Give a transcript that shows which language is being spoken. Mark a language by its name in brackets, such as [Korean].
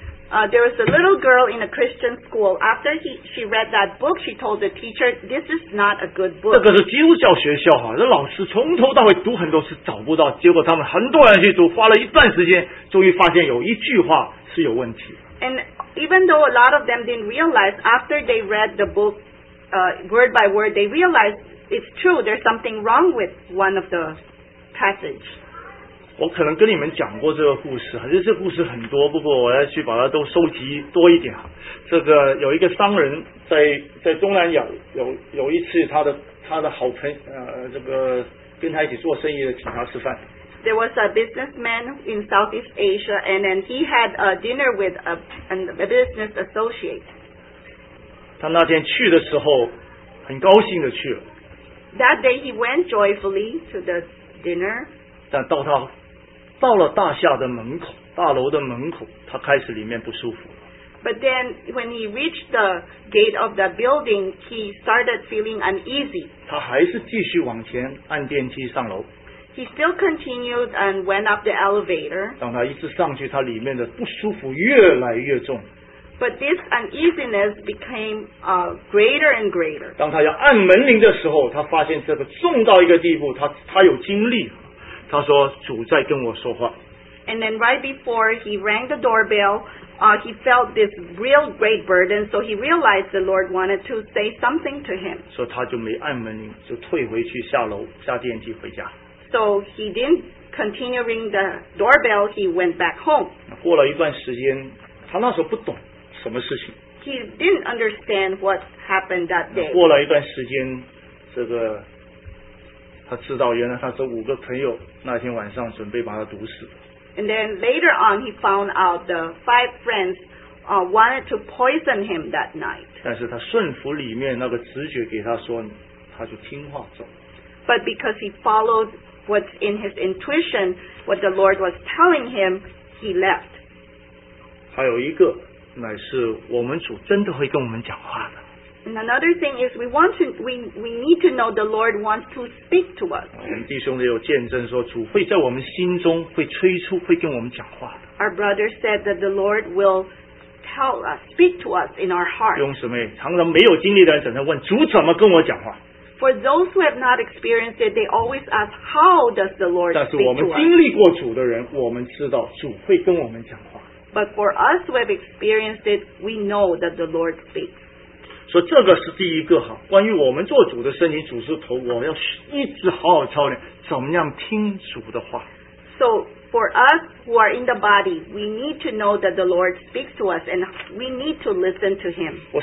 [English] There was a little girl in a Christian school. After she read that book, she told the teacher, "This is not a good book." [Chinese] 这个是基督教学校哈，这老师从头到尾读很多次找不到，结果他们很多人去读，花了一段时间，终于发现有一句话是有问题。 [English] And even though a lot of them didn't realize after they read the book. Word by word, they realize it's true. There's something wrong with one of the passages. [Chinese] 我可能跟你们讲过这个故事，还是这故事很多，不过我要去把它都收集多一点。这个有一个商人在中南亚有一次他的好朋友这个跟他一起做生意的请他吃饭。 [English] There was a businessman in Southeast Asia, and then he had a dinner with a business associate. [Chinese] 他那天去的时候很高兴的去了。 [English] That day he went joyfully to the dinner. [Chinese] 但到了大厦的门口，大楼的门口，他开始里面不舒服了。 [English] But then when he reached the gate of the building, he started feeling uneasy. [Chinese] 他还是继续往前按电梯上楼。 [English] He still continued and went up the elevator. [Chinese] 当他一直上去，他里面的不舒服越来越重。 [English] But this uneasiness became greater and greater. [Chinese] 当他要按门铃的时候，他发现这个重到一个地步，他有经历。他说：“主在跟我说话。” [English] And then right before he rang the doorbell, he felt this real great burden. So he realized the Lord wanted to say something to him. [Chinese] 所以他就没按门铃，就退回去下楼下电梯回家。 [English] So he didn't continue ring the doorbell. He went back home. [Chinese] 过了一段时间，他那时候不懂。什么事情 [English] ？He didn't understand what happened that day. [Chinese] 过了一段时间，这个他知道，原来他这五个朋友那天晚上准备把他毒死。 [English] And then later on, he found out the five friends wanted to poison him that night. [Chinese] 但是他顺服里面那个直觉给他说，他就听话走。 [English] But because he followed what's in his intuition, what the Lord was telling him, he left. [Chinese] 还有一个。乃是我们主真的会跟我们讲话的。 [English] And another thing is, we need to know the Lord wants to speak to us. [Chinese] 我们弟兄也有见证说，主会在我们心中会催促，会跟我们讲话的。 [English] Our brother said that the Lord will tell us, speak to us in our heart. [Chinese] 弟兄姊妹, 常常没有经历的人整天问, [English] For those who have not experienced it, they always ask, How does the Lord speak to us? [Chinese] 但是我们经历过主的人, 我们知道主会跟我们讲话。 [English] But for us who have experienced it, we know that the Lord speaks. [Chinese] 所以这个是第一个哈, 关于我们做主的声音, 主是头, 我要一直好好操练, 怎么样听主的话。 [English] So, for us who are in the body, we need to know that the Lord speaks to us and we need to listen to Him.